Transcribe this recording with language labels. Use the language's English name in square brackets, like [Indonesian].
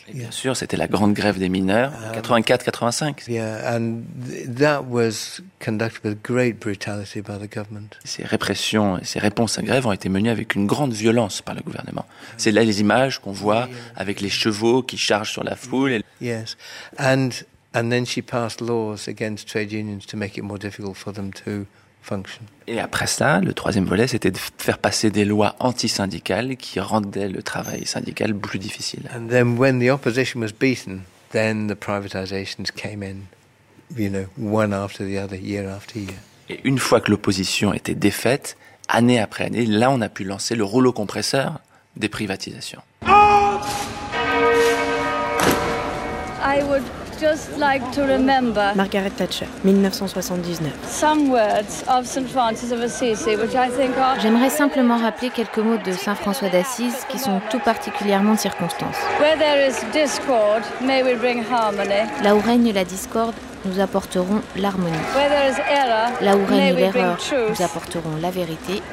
[French] Et bien sûr, c'était la grande grève des mineurs, 84-85. [English] Yeah, and that was conducted with great brutality by the government. [French] Ces répressions et ces réponses à grève ont été menées avec une grande violence par le gouvernement. C'est là les images qu'on voit avec les chevaux qui chargent sur la foule. [English] Yes, and then she passed laws against trade unions to make it more difficult for them to function. [French] Et après ça, le troisième volet, c'était de faire passer des lois anti-syndicales qui rendaient le travail syndical plus difficile. [English] And then when the opposition was beaten, then the privatizations came in, you know, one after the other, year after year. [French] Et une fois que l'opposition était défaite, année après année, là on a pu lancer le rouleau compresseur des privatisations. [English] I would just like to remember [French] Margaret Thatcher, 1979. [English] Some words of Saint Francis of Assisi, which I think are. [French] J'aimerais simplement rappeler quelques mots de Saint François d'Assise qui sont tout particulièrement de circonstance. [English] Where there is discord, may we bring harmony. [French] Là où règne la discorde, nous apporterons l'harmonie. [English] Where there is error, [French] là où règne l'erreur, nous apporterons la vérité.